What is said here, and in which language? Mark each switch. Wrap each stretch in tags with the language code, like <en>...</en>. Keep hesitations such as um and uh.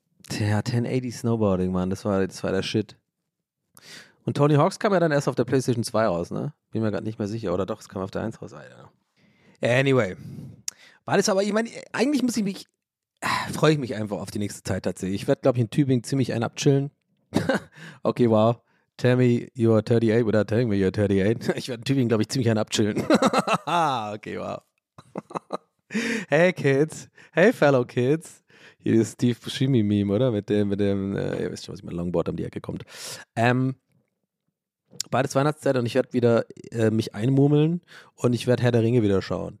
<de>Tja, 1080 Snowboarding, Mann, das war, das war der Shit. Und Tony Hawks kam ja dann erst auf der PlayStation 2 raus, ne? Bin mir gerade nicht mehr sicher. Oder doch, es kam auf der 1 raus, Alter. Anyway. War das aber, ich meine, eigentlich muss ich mich, äh, freue ich mich einfach auf die nächste Zeit tatsächlich. Ich werde, glaube ich, in Tübingen ziemlich ein abchillen. okay, wow.</de> <en>Tell me you are 38 without telling me you are 38.</en> <de>Ich werde Tübingen, glaube ich, ziemlich gern abchillen. okay, wow. hey, Kids.</de> <en>Hey, fellow Kids.</en> <de>Hier ist Steve Buscemi-Meme, oder? Mit dem, mit dem, äh, ihr wisst schon, was ich mit Longboard um die Ecke kommt. Ähm, beides Weihnachtszeit und ich werde wieder äh, mich einmurmeln und ich werde Herr der Ringe wieder schauen.</de>